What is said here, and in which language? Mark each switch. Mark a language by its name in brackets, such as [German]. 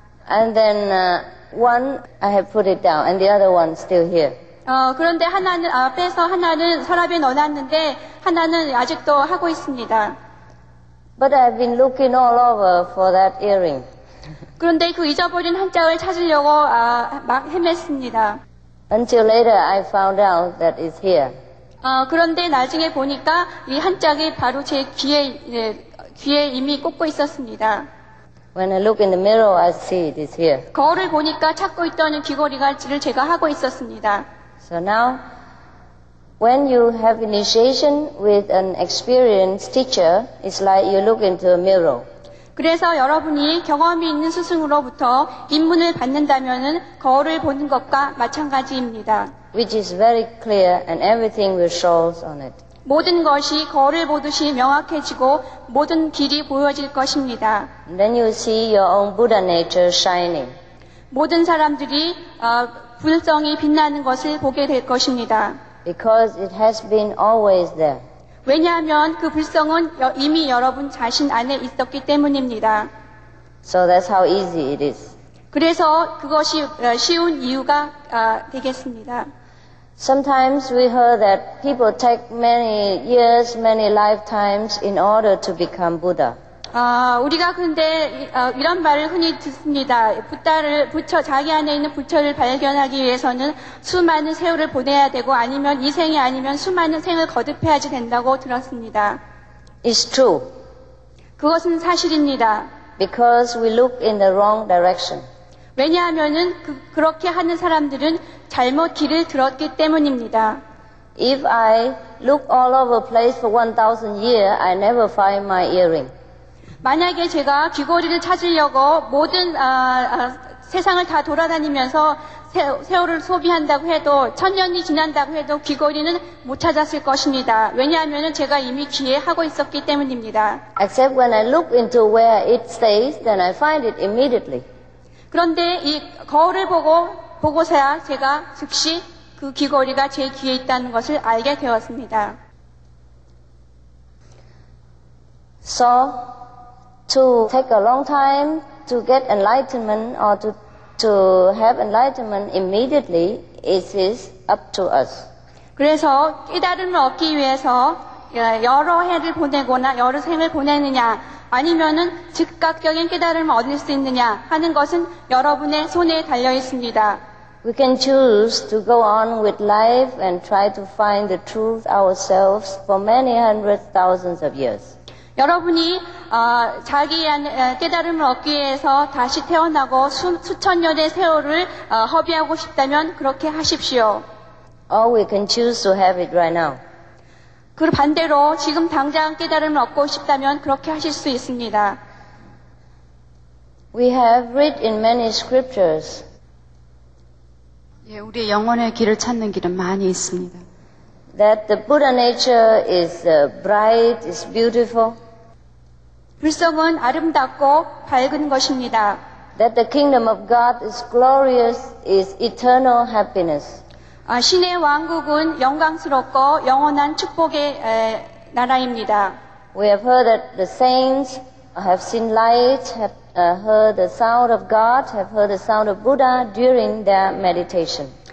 [English] And then one I have put it down, and the other one still here. [Korean] 그런데 하나는 빼서 하나는 서랍에 넣어놨는데 하나는 아직도 하고 있습니다. [English] But I've been looking all over for that earring. [Korean] 그런데 그 잊어버린 한짝을 찾으려고 막 헤맸습니다. [English] Until later, I found out that it's here. [Korean] 그런데 나중에 보니까 이 한짝이 바로 제 귀에 이미 꽂고 있었습니다. [English] When I look in the mirror, I see it is here. [Korean] 거울을 보니까 찾고 있던 귀걸이를 제가 하고 있었습니다. [English] So now, when you have initiation with an experienced teacher, it's like you look into a mirror. [Korean] 그래서 여러분이 경험이 있는 스승으로부터 입문을 받는다면은 거울을 보는 것과 마찬가지입니다. [English] Which is very clear and everything will show on it. [Korean] 모든 것이 거울을 보듯이 명확해지고 모든 길이 보여질 것입니다. [English] Then you see your own Buddha nature shining. [Korean] 모든 사람들이 불성이 빛나는 것을 보게 될 것입니다. [English] Because it has been always there. [Korean] 왜냐하면 그 불성은 이미 여러분 자신 안에 있었기 때문입니다. [English] So that's how easy it is. [Korean] 그래서 그것이 쉬운 이유가 되겠습니다. [English] Sometimes we heard that people take many years, many lifetimes in order to become Buddha. [Korean] 우리가 근데 이런 말을 흔히 듣습니다. 자기 안에 있는 부처를 발견하기 위해서는 수많은 세월을 보내야 되고 아니면 이 생이 아니면 수많은 생을 거듭해야지 된다고 들었습니다. [English] It's true. [Korean] 그것은 사실입니다. [English] Because we look in the wrong direction. [Korean] 왜냐하면은 그렇게 하는 사람들은 잘못 길을 들었기 때문입니다. [English] If I look all over place for 1,000 years, I never find my earring. [Korean] 만약에 제가 귀걸이를 찾으려고 모든 세상을 다 돌아다니면서 세월을 소비한다고 해도 천년이 지난다고 해도 귀걸이는 못 찾았을 것입니다. 왜냐하면 제가 이미 귀에 하고 있었기 때문입니다. [English] Except when I look into where it stays, then I find it immediately. [Korean] 그런데 이 거울을 보고서야 제가 즉시 그 귀걸이가 제 귀에 있다는 것을 알게 되었습니다. [English] So, to take a long time to get enlightenment or to have enlightenment immediately, it is up to us. [Korean] 그래서 깨달음을 얻기 위해서 여러 해를 보내거나 여러 생을 보내느냐 아니면은 즉각적인 깨달음을 얻을 수 있느냐 하는 것은 여러분의 손에 달려 있습니다. [English] We can choose to go on with life and try to find the truth ourselves for many hundreds, thousands of years. [Korean] 여러분이 자기의 깨달음을 얻기 위해서 다시 태어나고 수천 년의 세월을 허비하고 싶다면 그렇게 하십시오. [English] Or we can choose to have it right now. [Korean] 그 반대로 지금 당장 깨달음을 얻고 싶다면 그렇게 하실 수 있습니다. [English] We have read in many scriptures. [Korean] 예, 우리의 영혼의 길을 찾는 길은 많이 있습니다. [English] That the Buddha nature is bright, is beautiful. [Korean] 불성은 아름답고 밝은 것입니다. [English] That the kingdom of God is glorious, is eternal happiness. [Korean] 신의 왕국은 영광스럽고 영원한 축복의 나라입니다. [English] We have heard that the saints have seen light, have heard the sound of God, have heard the sound of Buddha during their meditation.